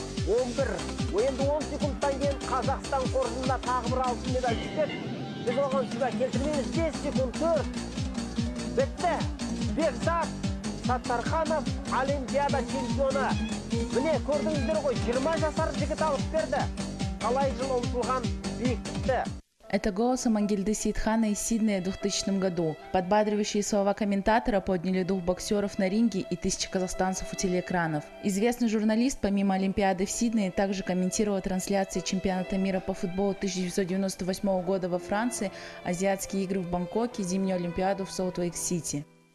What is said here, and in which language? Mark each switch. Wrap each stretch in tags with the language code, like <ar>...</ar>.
<kk>11, уенді 10 секундтан кейін Қазақстан қоржынында тағы бір алтын медаль жетеді. Біз оған сізге келтірмейміз. 5 секунд, 4, бітті. Бексат Саттарханов олимпиада чемпионы. Міне көрдіңіздер ғой, 20 жасар жігіт алып берді. Қалай жыл ұмтылған биіктікті.</kk> <ru>Это голос Амангельды Сейтхана из Сиднея в 2000 году. Подбадривающие слова комментатора подняли дух боксеров на ринге и тысячи казахстанцев у телеэкранов. Известный журналист, помимо Олимпиады в Сиднее, также комментировал трансляции чемпионата мира по футболу 1998 года во Франции, азиатские игры в Бангкоке, зимнюю Олимпиаду в Солт-Лейк-Сити.</ru>